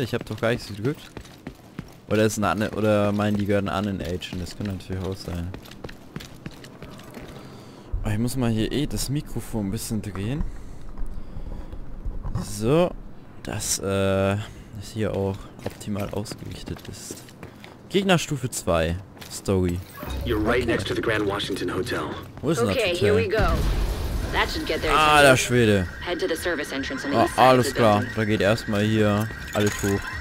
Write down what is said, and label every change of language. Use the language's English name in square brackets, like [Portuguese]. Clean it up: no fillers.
[German] Ich hab doch gar nichts gedrückt. Oder ist eine andere, oder meinen die gehören an den Agent? Das könnte natürlich auch sein. Ich muss mal hier eh das Mikrofon ein bisschen drehen. So, das ist hier auch optimal ausgerichtet ist. Gegner Stufe 2. Story. [English] You're right next to the Grand Washington Hotel. [German] Wo ist okay, Hotel? [English] Here we go. That should get there. [German] Ah, der Schwede. [English] Head to the service entrance [German] and oh, alles klar. Da geht erstmal hier alles hoch.